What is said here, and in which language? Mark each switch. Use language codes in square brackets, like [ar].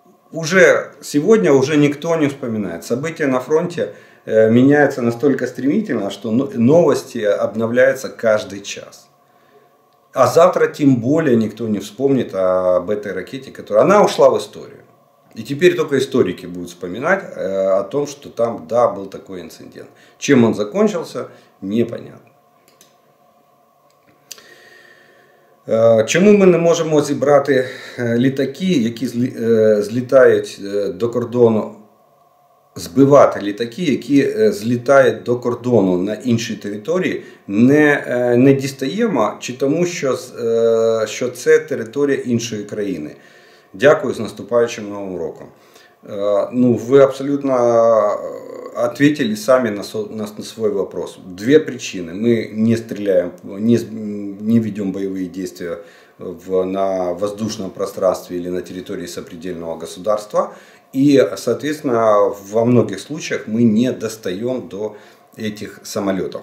[ru] Уже сегодня уже никто не вспоминает. События на фронте меняются настолько стремительно, что новости обновляются каждый час. А завтра тем более никто не вспомнит об этой ракете, которая... Она ушла в историю. И теперь только историки будут вспоминать о том, что там, да, был такой инцидент. Чем он закончился, непонятно. [uk] Чому ми не можемо зібрати літаки, які злітають до кордону, збивати літаки, які злітають до кордону на іншій території, не дістаємо, чи тому, що це територія іншої країни? Дякую, з наступаючим Новим роком. [ru] Ну, ви абсолютно ответили сами на свой вопрос. Две причины. Мы не стреляем, не ведем боевые действия на воздушном пространстве или на территории сопредельного государства. И, соответственно, во многих случаях мы не достаем до этих самолетов.